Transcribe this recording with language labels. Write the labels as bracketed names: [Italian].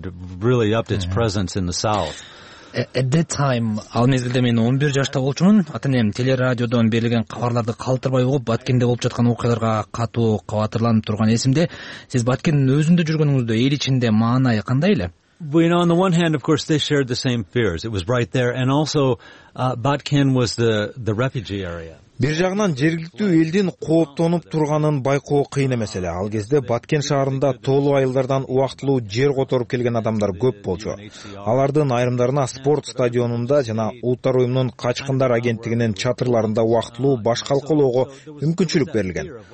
[English] At that time, [Kyrgyz] ал мезгилде мен 11 жашта болчумун. Ата-энем телерадиодон берилген кабарларды калтырбай угуп, Баткенде болуп жаткан окуяларга катуу кабатырланып турган эсимде. Сиз Баткендин өзүндө жүргөнүңүздө эл ичинде маанай кандай эле? [English] Well, on the one hand, of course, they shared the same fears. It was right there, and also Batken was the refugee area. [Kyrgyz] Бир жагынан жергиликтүү элдин кооптонуп турганын байкоо кыйын эмес эле. Ал кезде Баткен шаарында тоолуу айылдардан убактылуу жер которуп келген адамдар көп болчу. Алардын айрымдарына спорт стадионунда жана Улуттар уюмунун качкындар агенттигинин чатырларында убактылуу башкалкалоого мүмкүнчүлүк берилген.